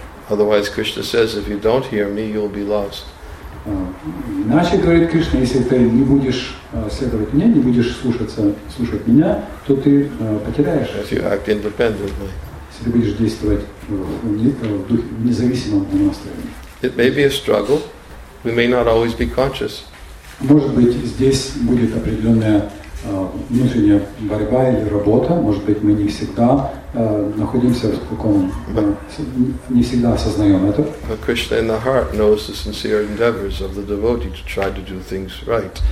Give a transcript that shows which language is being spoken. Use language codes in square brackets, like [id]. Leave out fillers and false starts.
[en] Otherwise, Krishna says, if you don't hear me, you'll be lost. [ru] Иначе, говорит Кришна, если ты не будешь следовать мне, не будешь слушать меня, то ты потеряешь. Если ты будешь действовать в духе независимом настроении. [en] It may be a struggle. We may not always be conscious. [ru] Может быть, здесь будет определенная внутренняя борьба или работа, может быть, мы не всегда находимся в таком, не всегда осознаем это. [en] But Krishna in the heart knows the sincere endeavors of the devotee to try to do things right.